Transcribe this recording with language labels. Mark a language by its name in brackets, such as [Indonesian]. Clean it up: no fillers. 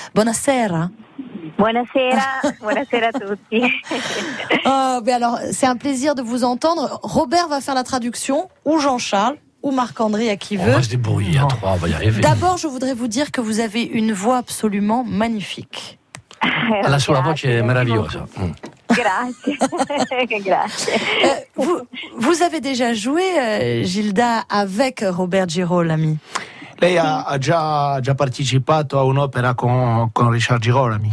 [Italian] Buonasera. Buonasera. Buonasera a tutti. [French] Oh, alors, c'est un plaisir de vous entendre. Robert va faire la traduction, ou Jean-Charles, ou Marc-André, à qui on veut. On va se débrouiller à trois, on va y arriver. D'abord, je voudrais vous dire que vous avez une voix absolument magnifique. [Italian] La sua voce est meravigliosa. Grazie. [French] Vous avez déjà joué, Gilda, avec Robert Girolami. [Italian] Lei ha già partecipato a un'opera con Richard Girolami.